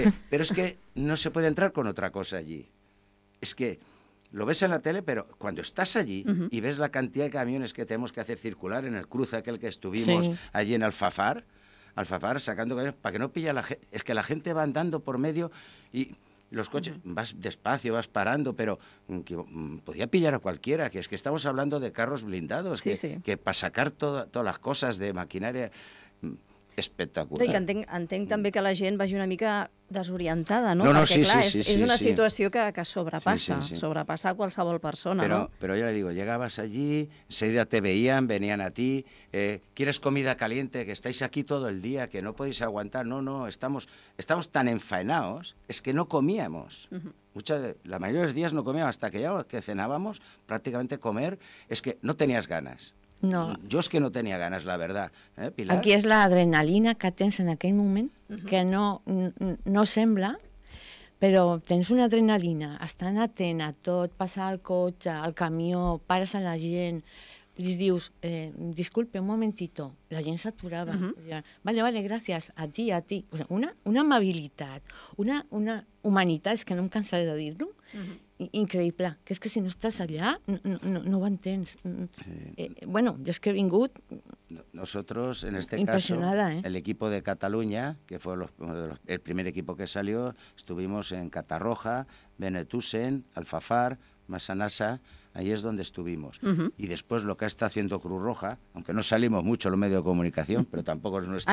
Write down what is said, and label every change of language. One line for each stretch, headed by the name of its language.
Spanish: pero es que no se puede entrar con otra cosa allí. Es que lo ves en la tele, pero cuando estás allí y ves la cantidad de camiones que tenemos que hacer circular en el cruce aquel que estuvimos allí en Alfafar, sacando camiones, para que no pilla la gente. Es que la gente va andando por medio y los coches, vas despacio, vas parando, pero que podía pillar a cualquiera, que es que estamos hablando de carros blindados, que para sacar todas las cosas de maquinaria, espectacular.
Catalan: Sí, que entenc també que la gent vagi una mica desorientada, no? No, perquè, sí, clar, és una situació que sobrepassa, sobrepassa qualsevol persona,
Spanish: pero,
Catalan: no? Però ja li
Spanish: digo, llegabas allí, enseguida te veían, venían a ti, ¿quieres comida caliente? Que estáis aquí todo el día, que no podéis aguantar. No, estamos tan enfaenados, es que no comíamos. La mayoría de los días no comíamos, hasta que ya que cenábamos, prácticamente comer, es que no tenías ganas. No.
Catalan: Jo és que no tenia ganes, la veritat, Pilar? Aquí és l'adrenalina que tens en aquell moment, que no sembla, però tens una adrenalina, estan atent a tot, passar el cotxe, el camió, pares a la gent, li dius,
Spanish: disculpe, un momentito,
Catalan: la gent s'aturava. Vale, gràcies,
Spanish: a ti.
Catalan: Una amabilitat, una humanitat, és que no em cansaré de dir-ho, increïble, que és que si no estàs allà no ho entens. Bueno, jo és que he vingut
Spanish: nosotros en este caso, el equipo de Cataluña, que fue el primer equipo que salió, estuvimos en Catarroja, Benetusen, Alfafar, Massanassa, ahí es donde estuvimos. Y después lo que está haciendo Cruz Roja, aunque no salimos mucho los medios de comunicación, pero tampoco es nuestra...